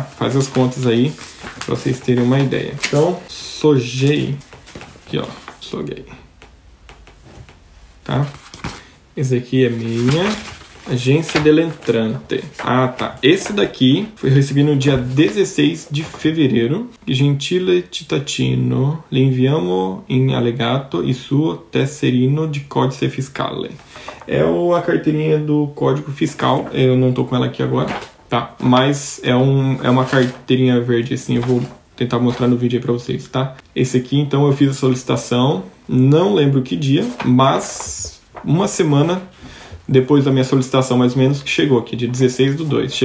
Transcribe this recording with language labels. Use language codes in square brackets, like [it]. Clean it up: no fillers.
[pt] Faz as contas aí pra vocês terem uma ideia. Então, sojei. Aqui, ó. Sojei. Tá? Esse aqui é minha. Agência del Entrante. Ah, tá. Esse daqui foi recebido no dia 16 de fevereiro. [it] Gentile cittadino, le inviamo in allegato il suo tesserino di codice fiscale. [pt] É a carteirinha do Código Fiscal. Eu não tô com ela aqui agora, tá? Mas é uma carteirinha verde assim. Eu vou tentar mostrar no vídeo aí pra vocês, tá? Esse aqui, então, eu fiz a solicitação. Não lembro que dia, mas uma semana depois da minha solicitação, mais ou menos, que chegou aqui, dia 16 do 2.